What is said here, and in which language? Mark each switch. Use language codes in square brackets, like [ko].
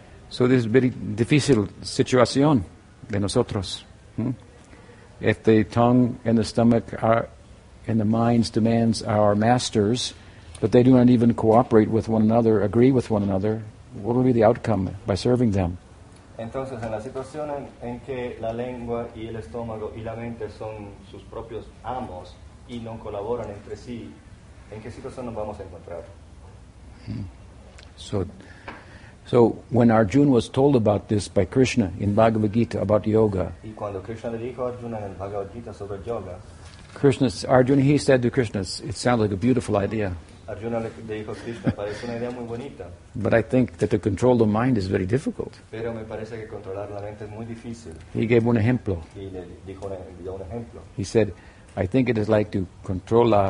[en] So this is very difficult situation [es] de nosotros. [en] If the tongue and the stomach are and the mind's demands are our masters, but they do not even cooperate with one another, agree with one another, what will be the outcome by serving them? [es] Entonces, en la situación en que la lengua y el estómago y la mente son sus propios amos y no colaboran entre sí, ¿en qué situación nos vamos a encontrar? [en] So when Arjuna was told about this by Krishna in Bhagavad Gita about yoga, [es] y cuando Krishna le dijo a Arjuna en el Bhagavad Gita sobre yoga, [en] he said to Krishna, it sounds like a beautiful idea. [es] Arjuna le dijo a Krishna, parece una idea muy bonita. [en] But I think that to control the mind is very difficult. [es] Pero me parece que controlar la mente es muy difícil. [en] He gave [es] un ejemplo. Y le dijo un ejemplo. [en] He said, I think it is like to control la